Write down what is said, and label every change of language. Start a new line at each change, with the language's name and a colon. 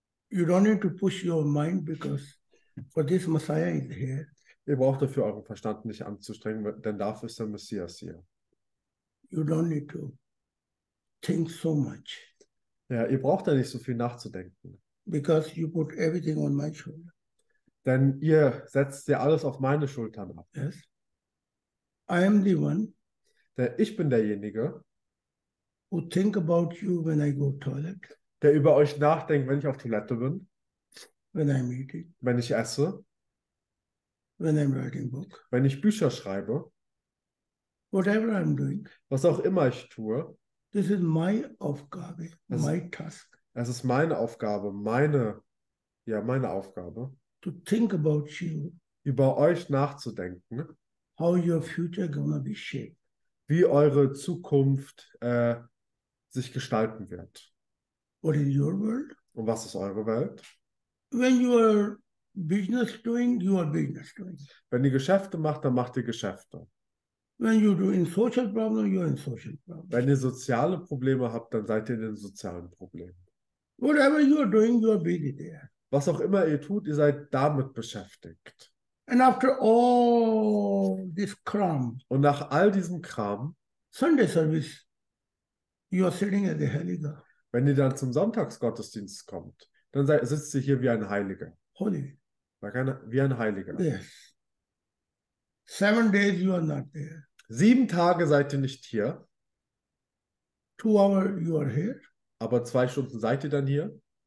English: You don't need to push your mind because for this Messiah is here.
German: Ihr braucht dafür euren Verstand nicht anzustrengen, denn dafür ist der Messias hier.
English: You don't need to think so much.
German: Ja, ihr braucht da nicht so viel nachzudenken.
English: Because you put everything on my shoulder.
German: Denn ihr setzt ja alles auf meine Schultern ab.
English: Yes. I am the one.
German: Denn ich bin derjenige,
English: who think about you when I go toilet.
German: Der über euch nachdenkt, wenn ich auf Toilette bin.
English: When I'm eating.
German: Wenn ich esse.
English: When I'm writing book.
German: Wenn ich Bücher schreibe.
English: Whatever I'm doing.
German: Was auch immer ich tue.
English: This is my
German: Aufgabe, das,
English: my task.
German: Es ist meine Aufgabe, meine Aufgabe.
English: To think about you,
German: über euch nachzudenken,
English: how your future gonna be shaped,
German: wie eure Zukunft sich gestalten wird.
English: What is your world?
German: Und was ist eure Welt?
English: When you are business doing, you are business doing.
German: Wenn ihr Geschäfte macht, dann macht ihr Geschäfte.
English: When you do in social problem, you are in social problem.
German: Wenn ihr soziale Probleme habt, dann seid ihr in den sozialen Problemen.
English: Whatever you are doing, you are busy there.
German: Was auch immer ihr tut, ihr seid damit beschäftigt.
English: And after all this crumb,
German: und nach all diesem Kram,
English: Sunday service, you are sitting at the Heiliger.
German: Wenn ihr dann zum Sonntagsgottesdienst kommt, dann sitzt ihr hier wie ein Heiliger.
English: Holy.
German: Wie ein Heiliger.
English: Yes. 7 days you are not there.
German: 7 Tage seid ihr nicht hier.
English: 2 hours you are here.
German: Aber 2 Stunden seid ihr dann hier.